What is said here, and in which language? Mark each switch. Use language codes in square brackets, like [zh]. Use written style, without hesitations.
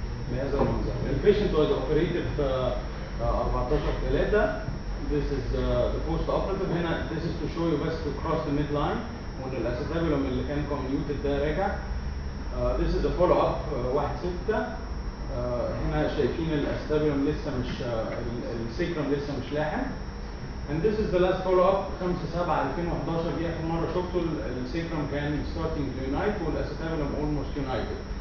[en] The patient was operated 14/3. This is the post operative. [ar] هنا [en] this is to show you best to cross the midline when the acetabulum [ar] اللي كان [en] commuted [ar] ده رجع. [en] This is a follow up 1/6. [ar] هنا شايفين الاستابيولوم لسه مش السيكرم لسه مش لاحم. [en] And this is the last follow-up, 5/7/2011. [ar] دي آخر مرة شفته السيكرم كان [en] starting to unite [ar] والأسيتابيولوم [en] almost united.